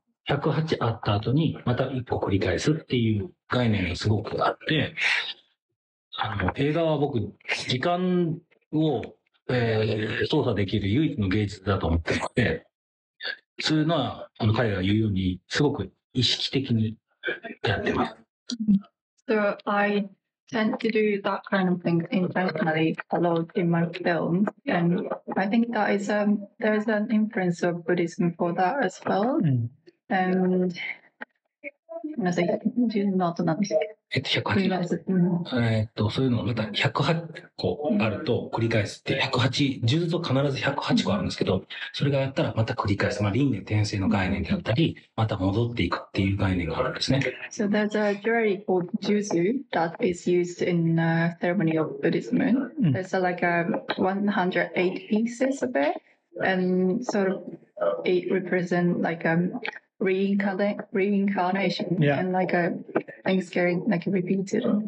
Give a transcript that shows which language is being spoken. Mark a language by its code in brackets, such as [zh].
[ja] 108あった後にまた1個繰り返すっていう概念がすごくあって、映画は僕、時間を、操作できる唯一の芸術だと思っていて、そういうのは彼が言うように、すごく意識的にやってます。 [en] So I tend to do that kind of thing intentionally a lot in my films, and I think that is there's an influence of Buddhism for that as well. And I say, do not understand. It's 108. [ja] そういうのまた108個あると繰り返すって、108、数珠と必ず108個あるんですけど、それがやったらまた繰り返す。まあ輪廻転生の概念であったり、また戻っていくっていう概念があるんですね。 [en] So there's a jewelry called 数珠 that is used in a ceremony of Buddhism. There's like a 108 pieces of it, and sort of it represent like reincarnation yeah. and like a things getting like repeated.